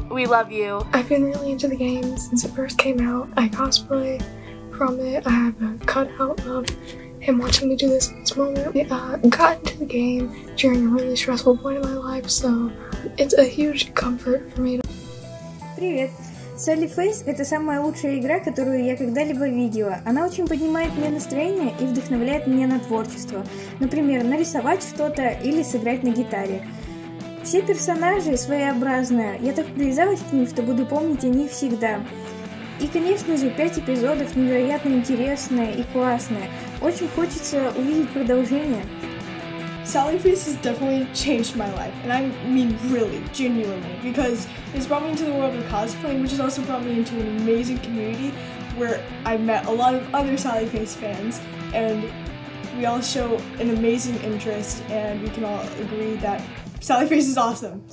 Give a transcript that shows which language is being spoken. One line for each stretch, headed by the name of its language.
English: We love you. I've been really into the game since it first came out. I cosplay from it. I have a cutout of him watching me do this in this moment. I got into the game during a really stressful point in my life, so it's a huge comfort for me.
Russian: Привет. Sally Faye – это самая лучшая игра, которую я когда-либо видела. Она очень поднимает мне настроение и вдохновляет меня на творчество. Например, нарисовать что-то или сыграть на гитаре. Все персонажи своеобразные. Я так привязалась к ним, что буду помнить о них всегда. И, конечно же, 5 эпизодов невероятно интересные и классные. Очень хочется увидеть продолжение.
English: Sally Faye has definitely changed my life, and I mean really, genuinely, because it's brought me into the world of cosplaying, which has also brought me into an amazing community where I met a lot of other Sally Faye fans, and we all show an amazing interest, and we can all agree that Sally Faye is awesome.